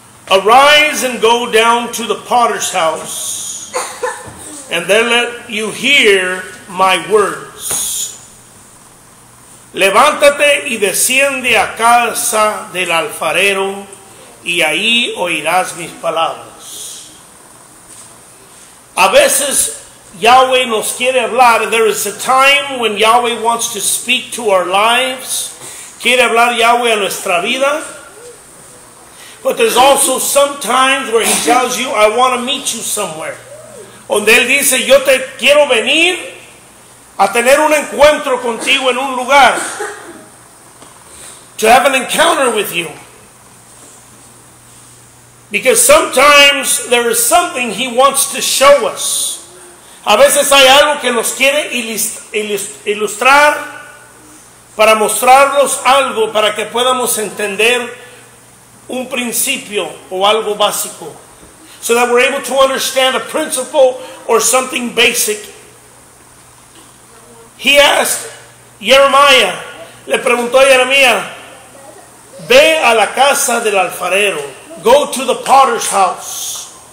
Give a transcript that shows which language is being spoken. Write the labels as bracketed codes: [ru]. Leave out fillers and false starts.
[en] Arise and go down to the potter's house, and then let you hear my words. [es] Levántate y desciende a casa del alfarero, y ahí oirás mis palabras. A veces Yahweh nos quiere hablar. [en] There is a time when Yahweh wants to speak to our lives. [es] Quiere hablar Yahweh a nuestra vida. [en] But there's also some times where he tells you, I want to meet you somewhere. [es] Donde él dice, yo te quiero venir a tener un encuentro contigo en un lugar. [en] To have an encounter with you. Because sometimes there is something he wants to show us. [es] A veces hay algo que nos quiere ilustrar para mostrarnos algo, para que podamos entender un principio o algo básico. [en] So that we're able to understand a principle or something basic. He asked Jeremiah, [es] le preguntó a Jeremiah, ve a la casa del alfarero, [en] go to the potter's house.